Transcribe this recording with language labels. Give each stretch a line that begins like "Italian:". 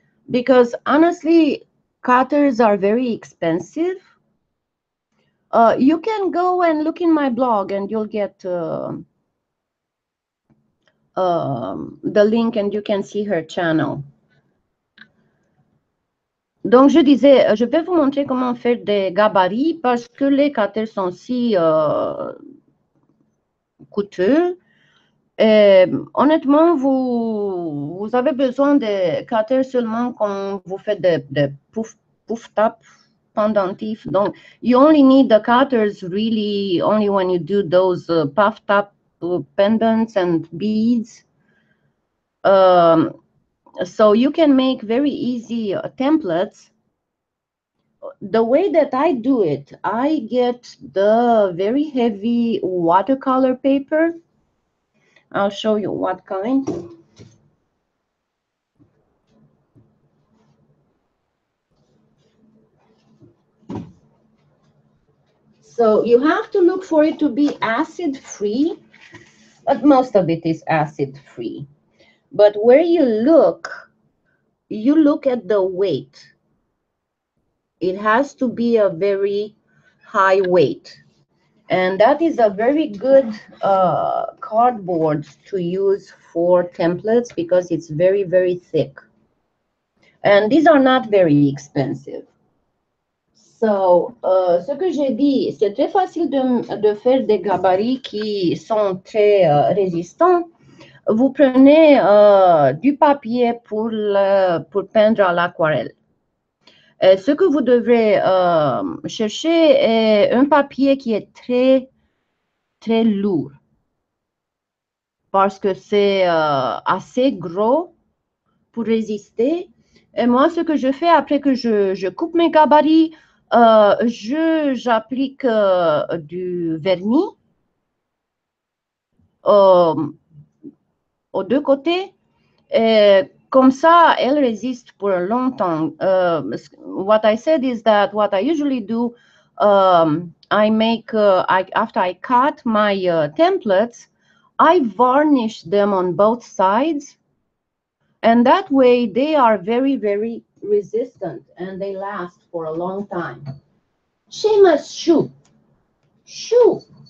English: Because honestly, cutters are very expensive. You can go and look in my blog and you'll get the link and you can see her channel.
French: Donc je disais, je vais vous montrer comment faire des gabarits parce que les cutters sont si coûteux. Et honnêtement, vous avez besoin des cutters seulement quand vous faites des pouf. Pouf tap pendentif. Donc,
English: you only need the cutters really only when you do those puff tap pendants and beads. So you can make very easy templates The way that I do it, I get the very heavy watercolor paper. I'll show you what kind. So you have to look for it to be acid free, but most of it is acid free. But where you look at the weight. It has to be a very high weight. And that is a very good cardboard to use for templates because it's very, very thick. And these are not very expensive.
French: So, ce que j'ai dit, c'est très facile de faire des gabarits qui sont très résistants. Vous prenez du papier pour peindre à l'aquarelle. Et ce que vous devrez chercher est un papier qui est très, très lourd parce que c'est assez gros pour résister. Et moi, ce que je fais après que je coupe mes gabarits, j'applique du vernis aux deux côtés. Et comme ça, elle résiste pour longtemps.
English: What I said is that what I usually do, I make, after I cut my templates, I varnish them on both sides. And that way, they are very, very resistant and they last for a long time. Seamus, shoo. Shoo.